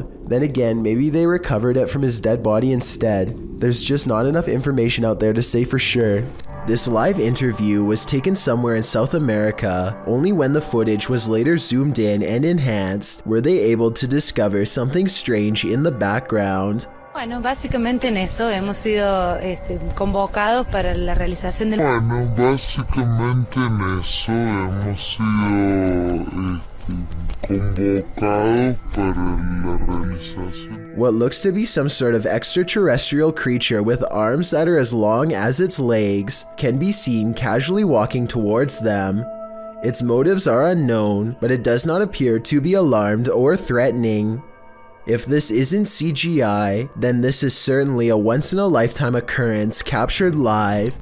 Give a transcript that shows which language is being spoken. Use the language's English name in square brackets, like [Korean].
[English] Then again, maybe they recovered it from his dead body instead. There's just not enough information out there to say for sure. This live interview was taken somewhere in South America. Only when the footage was later zoomed in and enhanced were they able to discover something strange in the background. [Spanish] Bueno, básicamente en eso hemos sido convocados para la realización del. Bueno, básicamente en eso hemos sido convocados para la realización. [English] What looks to be some sort of extraterrestrial creature with arms that are as long as its legs can be seen casually walking towards them. Its motives are unknown, but it does not appear to be alarmed or threatening. If this isn't CGI, then this is certainly a once-in-a-lifetime occurrence captured live.